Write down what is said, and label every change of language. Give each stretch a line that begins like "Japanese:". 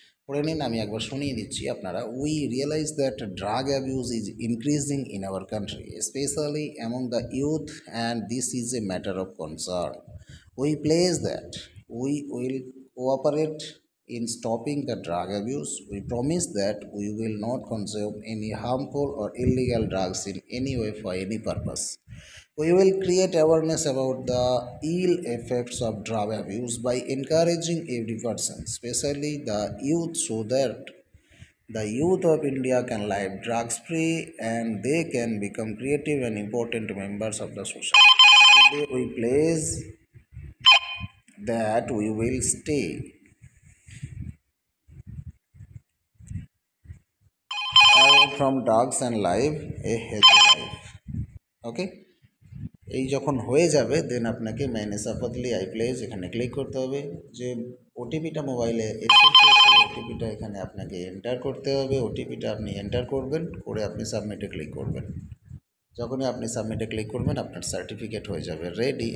Bangla: পড়ে নিন, আমি একবার শুনিয়ে দিচ্ছি আপনারা।
English: We realise that drug abuse is increasing in our country, specially among the youth, and this is a matter of concern. We place that we will cooperate in stopping the drug abuse. We promise that we will not consume any harmful or illegal drugs in any way for any purpose. We will create awareness about the ill effects of drug abuse by encouraging every person, especially the youth, so that the youth of India can live drugs-free and they can become creative and important members of the society. Today we pledge that we will stay. Away from drugs and live a healthy life. Okay?
Bangla: এই যখন হয়ে যাবে দেন আপনাকে manager পদলি I place এখানে click করতে হবে, যে ওটিপিটা মোবাইলে এসেছে ওটিপিটা এখানে আপনাকে এন্টার করতে হবে। ওটিপিটা আপনি এন্টার করবেন, করে আপনি সাবমিটে ক্লিক করবেন। যখনই আপনি সাবমিটে ক্লিক করবেন আপনার সার্টিফিকেট হয়ে যাবে রেডি।